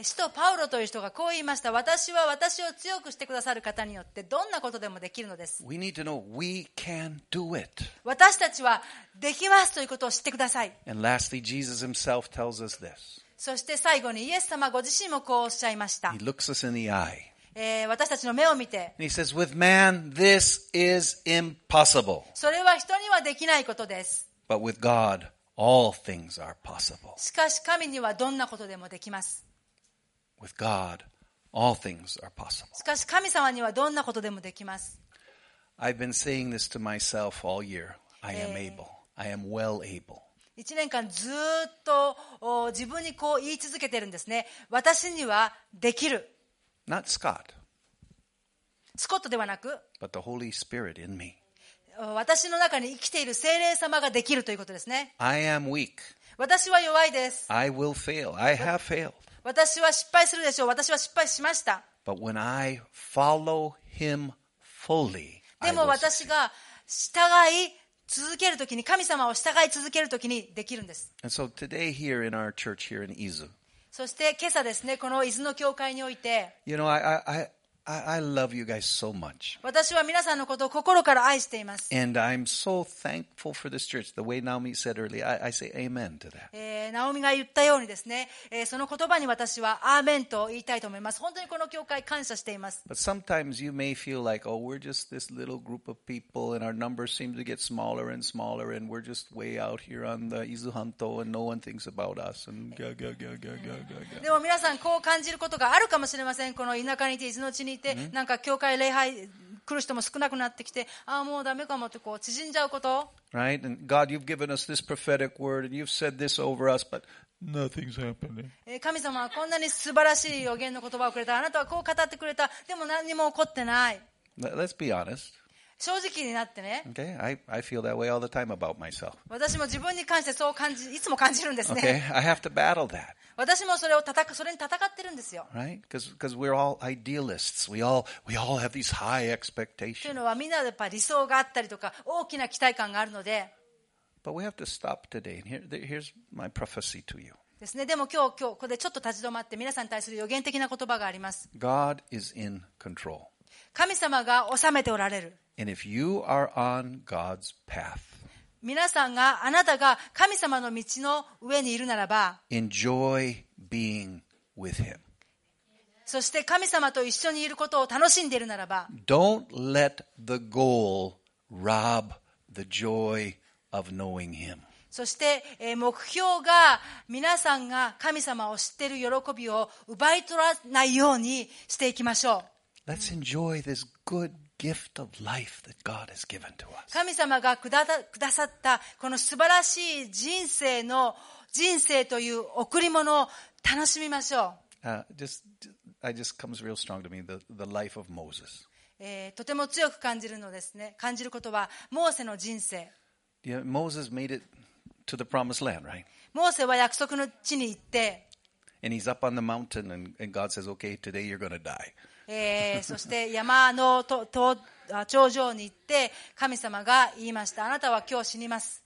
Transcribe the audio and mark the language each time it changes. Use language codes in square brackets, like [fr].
[ja] パウロという人がこう言いました。私は私を強くしてくださる方によってどんなことでもできるのです。 [en] We need to know we can do it. [ja] 私たちはできますということを知ってください。 [en] And lastly, Jesus himself tells us this. [ja] そして最後にイエス様ご自身もこうおっしゃいました。 [en] He looks us in the eye. [ja] 私たちの目を見て、 [en] He says, "With man, this is impossible." [ja] それは人にはできないことです。 [en] But with God, all things are possible. [ja] しかし神にはどんなことでもできます。 [en] With God, all things are possible. [ja] しかし神様にはどんなことでもできます。 [en] I've been saying this to myself all year. I am able. I am well able. [ja] 一年間ずっと自分にこう言い続けてるんですね。私にはできる。 [en] Not Scott. [ja] スコットではなく、 [en] But the Holy Spirit in me. [ja] 私の中に生きている聖霊様ができるということですね。 [en] I am weak. [ja] 私は弱いです。 [en] I will fail. I have failed. [ja] 私は失敗するでしょう。私は失敗しました。 [en] But when I follow him fully, [ja] でも私が従い続けるときに、神様を従い続けるときにできるんです。 [en] And so today here in our church here in Izu. [ja] そして今朝ですね、この伊豆の教会において、 [en] you know, I love you guys so much. [ja] 私は皆さんのことを心から愛しています。 [en] And I'm so thankful for this church. The way Naomi said earlier, I say amen to that. [ja] ナオミが言ったようにですね、その言葉に私はアーメンと言いたいと思います。本当にこの教会感謝しています。 [en] But sometimes you may feel like, oh, we're just this little group of people, and our numbers seem to get smaller and smaller, and we're just way out here on the Izuhanto, and no one thinks about us. And ga ga ga ga ga ga. [ja] でも皆さんこう感じることがあるかもしれません。この田舎にいて伊豆の地に。なんか教会礼拝来る人も少なくなってきて、ああもうダメかもってこう縮んじゃうこと。 [en] Right, and God, you've given us this prophetic word, and you've said this over us, but nothing's happening. [ja] 神様はこんなに素晴らしい予言の言葉をくれた。あなたはこう語ってくれた。でも何にも起こってない。 [en] Let's be honest. [ja] 正直になってね。 [en] Okay, I feel that way all the time about myself. [ja] 私も自分に関してそう感じ、いつも感じるんですね。 [en] Okay, I have to battle that. [ja] 私もそれに戦ってるんですよ。 [en] Right? Because we're all idealists. We all have these high expectations. [ja] というのはみんなやっぱ理想があったりとか大きな期待感があるので。 [en] But we have to stop today. Here's my prophecy to you. [ja] ですね。でも今日ここでちょっと立ち止まって皆さんに対する予言的な言葉があります。 [en] God is in control. [ja] 神様が治めておられる。 [en] And if you are on God's path. [ja] 皆さんがあなたが神様の道の上にいるならば、 [en] Enjoy being with him. [ja] そして神様と一緒にいることを楽しんでいるならば、 [en] Don't let the goal rob the joy of knowing him. [ja] そして目標が皆さんが神様を知っている喜びを奪い取らないようにしていきましょう。 [en] Let's enjoy this good. Gift of life that God has given to us. [ja] 神様がくださったこの素晴らしい人生という贈り物を楽しみましょう。 [en] Just comes real strong to me the life of Moses. [ja] とても強く感じるのですね。感じることはモーセの人生。 [en] Yeah, Moses made it to the promised land, right? [ja] モーセは約束の地に行って。 [en] And he's up on the mountain, and God says, "Okay, today you're going to die." [ja] そして山の頂上に行って神様が言いました。あなたは今日死にます。